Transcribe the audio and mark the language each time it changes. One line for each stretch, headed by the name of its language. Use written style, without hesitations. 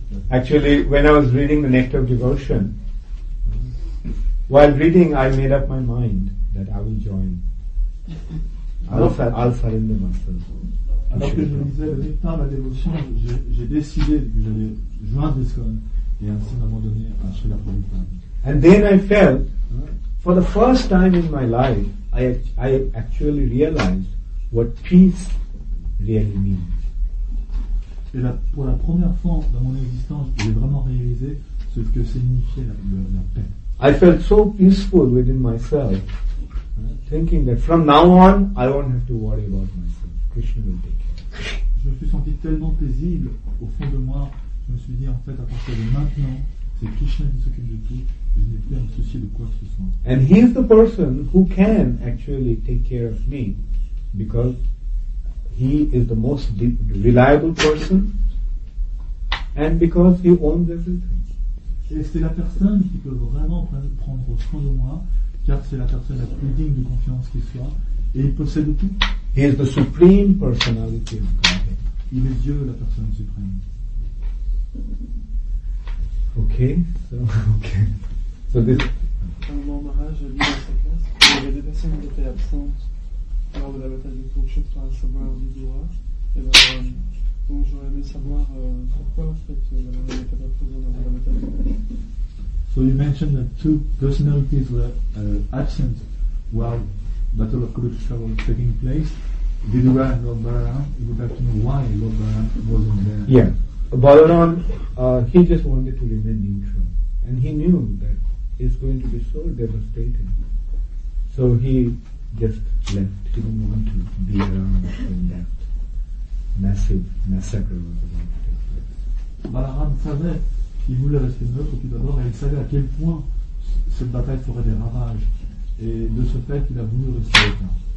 English: Actually, when I was reading the Nectar of Devotion, while reading, I made up my mind that I will join. I'll surrender myself.
French: Alors que je lisais le Nectar de la Dévotion, j'ai décidé que j'allais joindre l'ISKCON et ainsi m'abandonner à Srila Prabhupada.
English: And then I felt, for the first time in my life, I actually realized what peace really means.
French: Et pour la première fois dans mon existence, j'ai vraiment réalisé ce que signifiait la paix.
English: I felt so peaceful within myself, thinking that from now on, I won't have to worry about myself. Krishna will take care.
French: Je me suis senti tellement paisible au fond de moi, je me suis dit en fait à partir de maintenant, c'est Krishna qui s'occupe de tout, je n'ai plus à me soucier de quoi que ce soit.
English: And he is the person who can actually take care of me, because he is the most reliable person, and because he owns everything.
French: Et c'est la personne qui peut vraiment prendre soin de moi, car c'est la personne la plus digne de confiance qui soit, et il possède tout.
English: He is the supreme personality of Godhead.
French: Il est Dieu, la personne suprême.
English: Okay. So, okay. So this.
French: Un moment Maharaj, je lis dans sa classe. Il y avait des personnes qui étaient absentes lors de la bataille de Kurukshetra à savoir du Dura. Et ben, donc j'aurais aimé savoir pourquoi en fait la Maharaj n'était pas présent lors de la bataille.
English: So you mentioned that two personalities were absent while battle of Kurukshetra was taking place, Vidura and Lord Balaram. You would like to know why Lord Balaram wasn't there. Yeah. Balaram, he just wanted to remain neutral. And he knew that it's going to be so devastating. So he just left. He didn't want to be around when that massive massacre was about to take place.
French: Balaram savait qu'il voulait rester neutre tout d'abord, et il savait à quel point cette bataille ferait des ravages. Et de ce fait, il a voulu rester neutre.